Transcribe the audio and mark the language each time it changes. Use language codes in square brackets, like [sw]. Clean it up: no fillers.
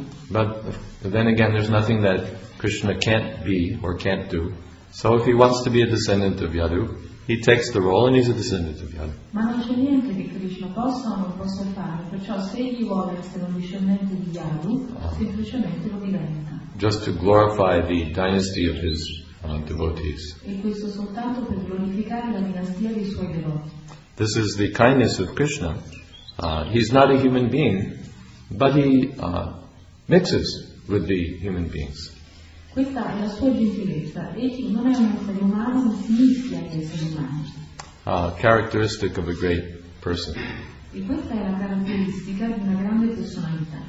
[en] But then again, there's nothing that Krishna can't be or can't do. So if he wants to be a descendant of Yadu, he takes the role and he's a descendant of Yadu. [it] Ma non c'è niente che Krishna possa o non possa fare. Perciò se egli vuole essere un discendente di Yadu, semplicemente lo diventa. [en] Just to glorify the dynasty of his devotees. [it] E questo soltanto per glorificare la dinastia dei suoi devoti. [en] This is the kindness of Krishna. He's not a human being, but he mixes with the human beings. [it] Questa è la sua gentilezza. Egli non è un essere umano, ma si mischia agli esseri umani. [en] Characteristic of a great person. [it] E questa è la caratteristica di una grande personalità.